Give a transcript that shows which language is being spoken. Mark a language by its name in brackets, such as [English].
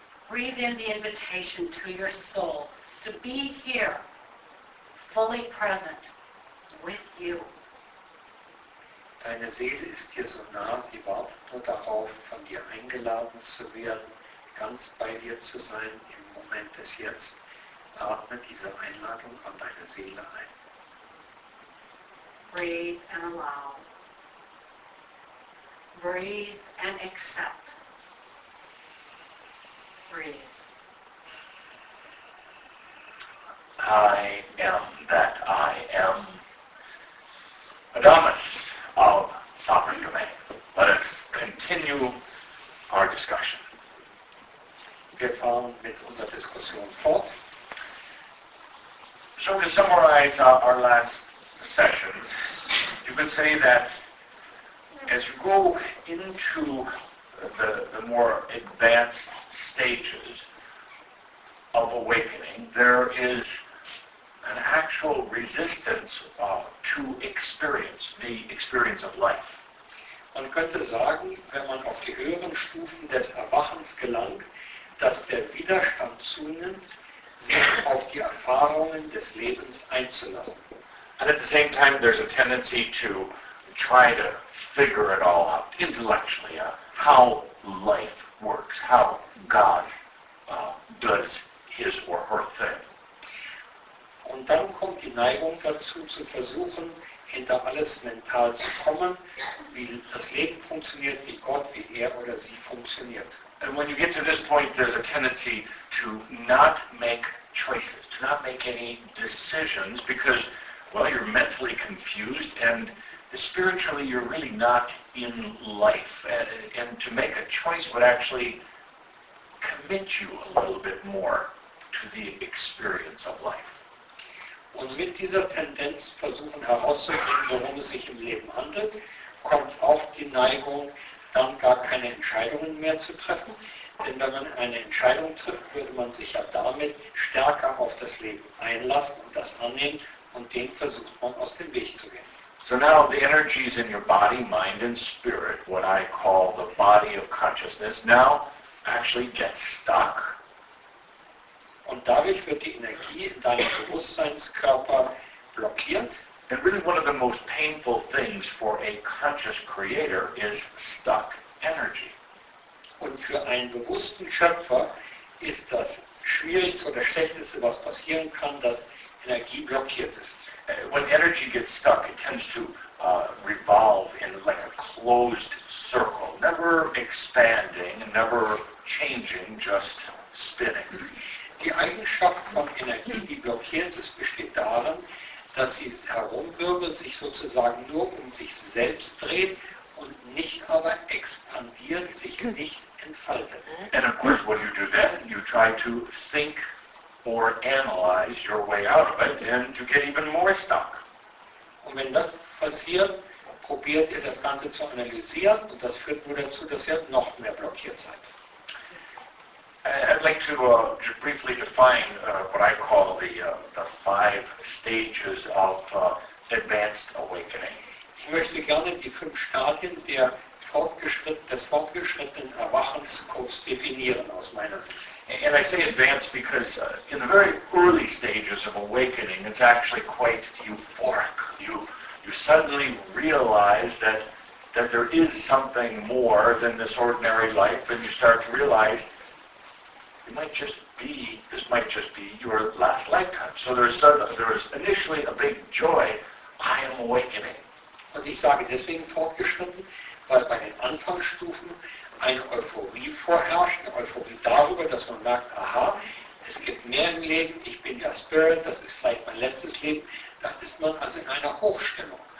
[English] Breathe in the invitation to your soul to be here, fully present with you. [German] Deine Seele ist dir so nah, sie wartet nur darauf, von dir eingeladen zu werden, ganz bei dir zu sein im Moment des Jetzt. Atme diese Einladung an deine Seele ein. [English] Breathe and allow. Breathe and accept. Breathe. I am that I am. Adamus of Sovereign Domain. Let us continue our discussion. [German] Wir fahren mit unserer Diskussion fort. [English] So to summarize our last session, you could say that as you go into the more advanced stages of awakening, there is an actual resistance to experience, the experience of life. [German] Man könnte sagen, wenn man auf die höheren Stufen des Erwachens gelangt, dass der Widerstand zunimmt, sich auf die Erfahrungen des Lebens einzulassen. [English] And at the same time, there's a tendency to try to figure it all out intellectually, how life works, how God does his or her thing. [German] Und dann kommt die Neigung dazu, zu versuchen, hinter alles mental zu kommen, wie das Leben funktioniert, wie Gott, wie er oder sie funktioniert. [English] And when you get to this point, there's a tendency to not make choices, to not make any decisions, because, well, you're mentally confused, and spiritually you're really not in life. And to make a choice would actually commit you a little bit more to the experience of life. [German] Und mit dieser Tendenz versuchen herauszufinden, worum es sich im Leben handelt, kommt auch die Neigung, dann gar keine Entscheidungen mehr zu treffen. Denn wenn man eine Entscheidung trifft, würde man sich ja damit stärker auf das Leben einlassen und das annehmen, und den versucht man aus dem Weg zu gehen. [English] So now the energies in your body, mind and spirit, what I call the body of consciousness, now actually get stuck. [German] Und dadurch wird die Energie in deinem Bewusstseinskörper blockiert. [English] And really one of the most painful things for a conscious creator is stuck energy. [German] Und für einen bewussten Schöpfer ist das Schwierigste oder Schlechteste, was passieren kann, dass Energie blockiert ist. [English] When energy gets stuck, it tends to revolve in like a closed circle, never expanding, never changing, just spinning. [German] Die Eigenschaft von Energie, die blockiert ist, besteht darin, dass sie herumwirbelt, sich sozusagen nur um sich selbst dreht und nicht aber expandiert, sich nicht entfaltet. [English] And of course, what you do then, you try to think or analyze your way out of it and you get even more stuck. [German] Und wenn das passiert, probiert ihr das Ganze zu analysieren und das führt nur dazu, dass ihr noch mehr blockiert seid. [English] I'd like to briefly define what I call the five stages of advanced awakening. [German] Ich möchte gerne die fünf Stadien der fortgeschrittenen Erwachenskurs definieren aus meiner Sicht. [English] And I say advanced because in the very early stages of awakening, it's actually quite euphoric. You suddenly realize that there is something more than this ordinary life, and you start to realize this might just be your last lifetime. So there is initially a big joy, I am awakening. [German] Und ich sage deswegen fortgeschritten, weil bei den Anfangsstufen eine Euphorie vorherrscht, eine Euphorie darüber, dass man merkt, aha, es gibt mehr im Leben, ich bin der Spirit, das ist vielleicht mein letztes Leben, da ist man also in einer Hochstimmung.